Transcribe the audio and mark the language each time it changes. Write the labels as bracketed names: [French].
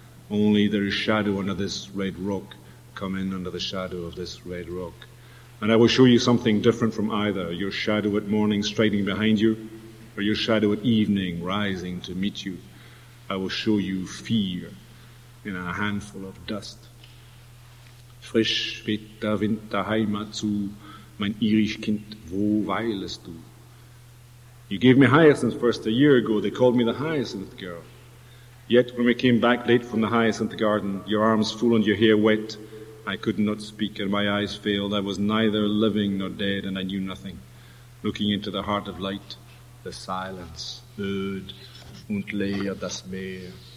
[English] Only there is shadow under this red rock. Come in under the shadow of this red rock. And I will show you something different from either, your shadow at morning striding behind you, or your shadow at evening rising to meet you. I will show you fear in a handful of dust. [German] Frisch weht der Wind der Heimat zu, mein irisch Kind, wo weilest du? [English] You gave me hyacinth first a year ago, they called me the hyacinth girl. Yet when we came back late from the hyacinth garden, your arms full and your hair wet, I could not speak and my eyes failed. I was neither living nor dead and I knew nothing. Looking into the heart of light, the silence, [German] öd und leer das Meer.